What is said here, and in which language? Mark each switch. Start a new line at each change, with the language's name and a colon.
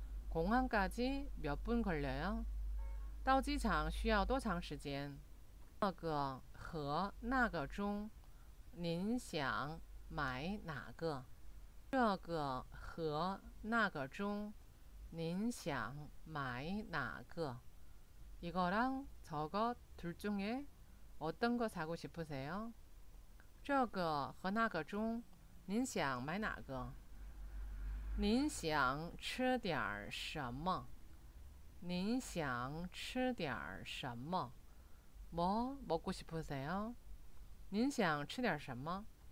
Korean: 공항까지몇분걸려요？
Chinese: 到机场需要多长时间？这个和那个中，您想买哪个？这个和那个中，您想买哪个？
Korean: 이거랑저거둘중에어떤거사고싶으세요？
Chinese: 这个和那个中，您想买哪个？您想吃点什么？您想吃点什么？
Korean: 뭐먹고싶으세요？
Chinese: 您想吃点什么？